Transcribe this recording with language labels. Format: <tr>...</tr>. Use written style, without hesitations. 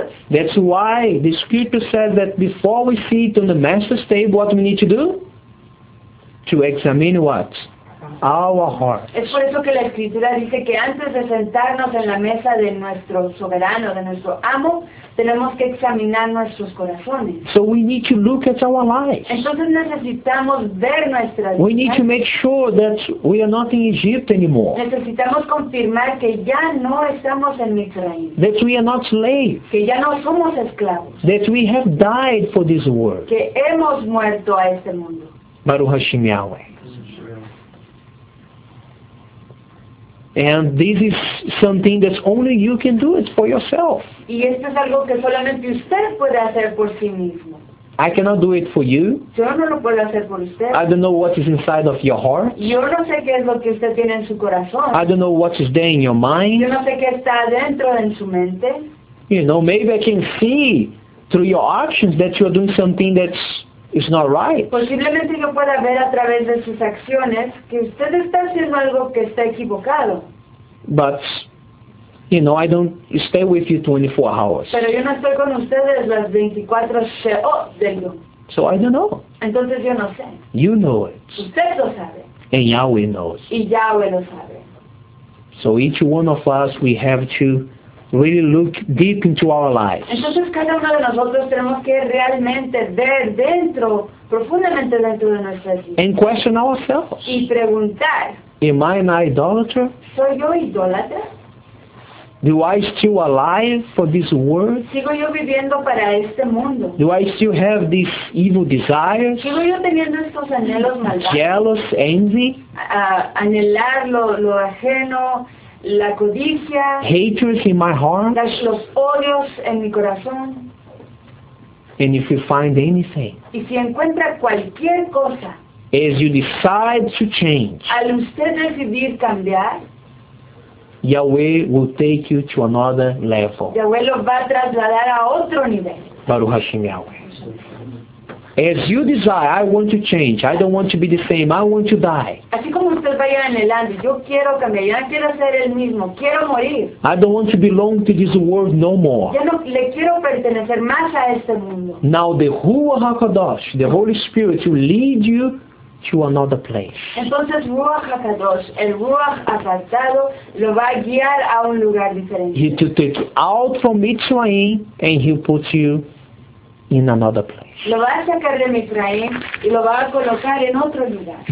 <en>That's why the scripture says that before we sit on the master's table, what we need to do? To examine what? Our hearts.</en> <es>Es por eso que la escritura dice que antes de sentarnos en la mesa de nuestro soberano, de nuestro amo, tenemos que examinar nuestros corazones.</es> <en>So we need to look at our lives.</en> <es>Entonces necesitamos ver nuestras vidas.</es> <en>We need to make sure that we are not in Egypt anymore.</en> <es>Necesitamos confirmar que ya no estamos en Mitzrayim.</es> <en>That we are not slaves.</en> <es>Que ya no somos esclavos.</es> <en>That we have died for this world.</en> <es>Que hemos muerto a este mundo.</es> <he>Baruch Hashem Yahweh.</he> <en>And this is something that only you can do it for yourself.</en> <es>Y esto es algo que solamente usted puede hacer por sí mismo.</es> <en>I cannot do it for you.</en> <es>Yo no lo puedo hacer por usted.</es> <en>I don't know what is inside of your heart.</en> <es>Yo no sé qué es lo que usted tiene en su corazón.</es> <en>I don't know what is there in your mind.</en> <es>Yo no sé qué está adentro en su mente.</es> <en>You know, maybe I can see through your actions that you are doing something that's it's not right.</en> <es>Posiblemente yo pueda ver a través de sus acciones que usted está haciendo algo que está equivocado.</es> <en>But, you know, I don't stay with you 24 hours.</en> <es>Pero yo no estoy con ustedes las 24</es> <he>Sheot</he> <es>del</es> <he>Yom.</he> <en>So I don't know.</en> <es>Entonces yo no sé.</es> <en>You know it.</en> <es>Usted lo sabe.</es> <en>And Yahweh knows.</en> <es>Y Yahweh lo sabe.</es> <en>So each one of us, we have to really look deep into our lives.</en> <es>Entonces cada uno de nosotros tenemos que realmente ver dentro, profundamente dentro de nuestras vidas.</es> <en>And question ourselves.</en> <es>Y preguntar.</es> <en>Am I an idolater?</en> <es>¿Soy yo idólatra?</es> <en>Do I still alive for this world?</en> <es>¿Sigo yo viviendo para este mundo?</es> <en>Do I still have these evil desires?</en> <es>¿Sigo yo teniendo estos anhelos malvados?</es> <en>Jealous, envy?</en> <es>Anhelar lo ajeno. La codicia,</es> <en>haters in my heart,</en> <es>los odios en mi corazón.</es> <en>And if you find anything,</en> <es>y si encuentra cualquier cosa,</es> <en>as you decide to change,</en> <es>al usted decidir cambiar,</es> <en>Yahweh will take you to another level.</en> <es>Yahweh lo va a trasladar a otro nivel.</es> <he>Baruch Hashem Yahweh.</he> <en>As you desire, I want to change. I don't want to be the same. I want to die.</en> <es>Así como usted vaya anhelando, yo quiero cambiar. Yo no quiero ser el mismo. Quiero morir.</es> <en>I don't want to belong to this world no more.</en> <es>Ya no le quiero pertenecer más a este mundo.</es> <en>Now the Ruach HaKadosh, the Holy Spirit, will lead you to another place.</en> <es>Entonces Ruach HaKadosh, el Ruach apartado, lo va a guiar a un lugar diferente.</es> <en>He will take you out from Mitzrayim and he will put you in another place.</en> <es>Lo va a sacar de Mitzrayim y lo va a colocar en otro lugar.</es>